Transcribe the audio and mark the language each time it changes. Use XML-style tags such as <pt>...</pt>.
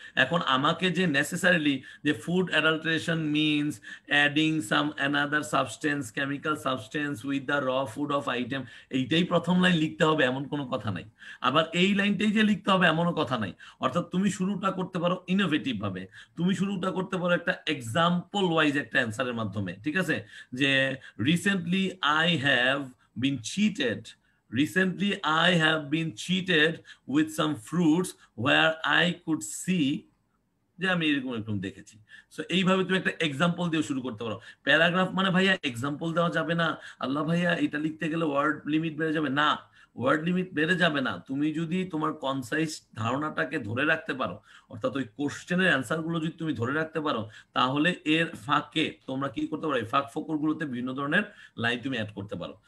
<bn>এখন আমাকে যে</bn> <en>necessarily যে food adulteration means adding some another substance, chemical substance with the raw food of item,</en> <bn>এইটাই প্রথম লাইন লিখতে হবে এমন কোনো কথা নাই। আবার এই লাইনটাই যে লিখতে হবে এমনও কথা নাই। অর্থাৎ তুমি শুরুটা করতে পারো ইনোভেটিভভাবে, তুমি শুরুটা করতে পারো একটা এক্সাম্পল ওয়াইজ একটা অ্যান্সারের মাধ্যমে, ঠিক আছে।</bn> <en>যে recently I have been cheated, recently I have been cheated with some fruits where I could see,</en> <bn>যে আমি এরকম একদম দেখেছি। সো এইভাবে তুমি একটা এক্সাম্পল দিয়ে শুরু করতে পারো। প্যারাগ্রাফ মানে ভাইয়া এক্সাম্পল দেওয়া যাবে না, আল্লাহ ভাইয়া এটা লিখতে গেলে ওয়ার্ড লিমিট বেড়ে যাবে, না ওয়ার্ড লিমিট বেড়ে যাবে না। তুমি যদি তোমার কনসাইজ ধারণাটাকে ধরে রাখতে পারো, অর্থাৎ ওই কোশ্চেনের অ্যান্সারগুলো যদি তুমি ধরে রাখতে পারো, তাহলে এর ফাঁকে তোমরা কি করতে পারো, এই ফাঁক ফোকরগুলোতে বিভিন্ন ধরনের লাইন তুমি অ্যাড করতে পারো।</bn>